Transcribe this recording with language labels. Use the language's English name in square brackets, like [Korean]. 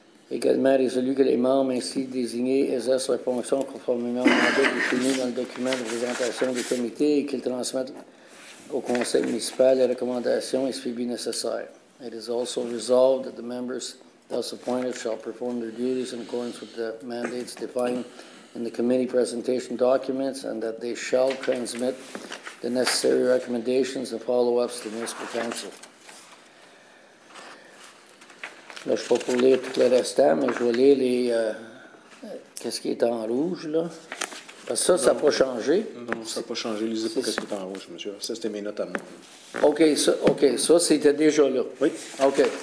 [French] Également résolu que les membres ainsi désignés exercent leurs fonctions conformément au mandat défini dans le document de présentation du comité et qu'ils transmettent au conseil municipal les recommandations et suivis nécessaires. [English] It is also resolved that the members thus appointed shall perform their duties in accordance with the mandates defined in the committee presentation documents and that they shall transmit the necessary recommendations and follow-ups to the municipal council. [French] Là, je ne vais pas lire tout le restant, mais je vais lire les. Qu'est-ce qui est en rouge, là? Parce que ça, non, ça n'a pas changé. Non, ça n'a pas changé. Lisez c'est pas qu'est-ce qui est en rouge, monsieur. Ça, c'était mes notes à moi. OK, ça, c'était déjà là. Oui. OK.